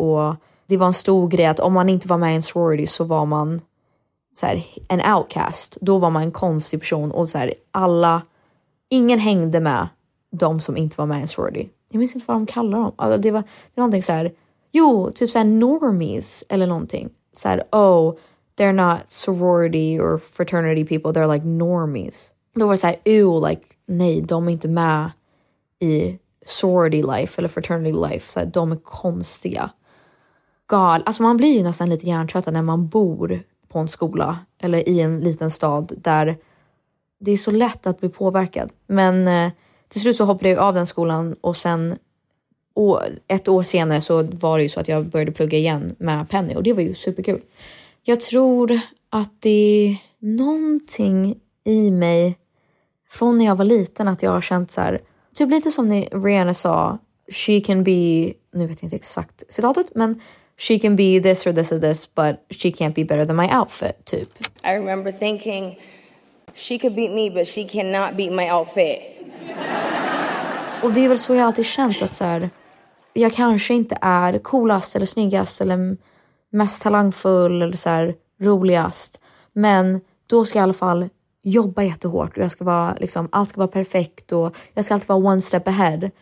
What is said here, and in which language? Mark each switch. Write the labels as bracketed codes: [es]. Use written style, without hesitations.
[sv] Och det var en stor grej att om man inte var med i en sorority så var man så här, en outcast. Då var man en konstig person. Och så här, alla... Ingen hängde med... De som inte var med i en sorority. Jag minns inte vad de kallar dem. Alltså det var någonting så här. Jo, typ så här normies eller någonting. Så här, [en] oh, they're not sorority or fraternity people. They're like normies. [sv] Då var det så här, ew, like, nej, de är inte med i sorority life eller fraternity life. Så här, de är konstiga. God, alltså man blir ju nästan lite hjärntrött när man bor på en skola. Eller i en liten stad där det är så lätt att bli påverkad. Men... Till slut så hoppade jag av den skolan och sen ett år senare så var det ju så att jag började plugga igen med Penny och det var ju superkul. Jag tror att det är någonting i mig från när jag var liten att jag har känt så här, typ lite som Rihanna sa, [en] she can be, [sv] nu vet jag inte exakt citatet, men [en] she can be this or this or this but she can't be better than my outfit, [sv] typ. [en] I remember thinking she could beat me but she cannot beat my outfit. [sv] Och det är väl så jag alltid känt att så här, jag kanske inte är coolast eller snyggast eller mest talangfull eller så här, roligast. Men då ska jag i alla fall jobba jättehårt och jag ska vara liksom, allt ska vara perfekt och jag ska alltid vara [en] one step ahead.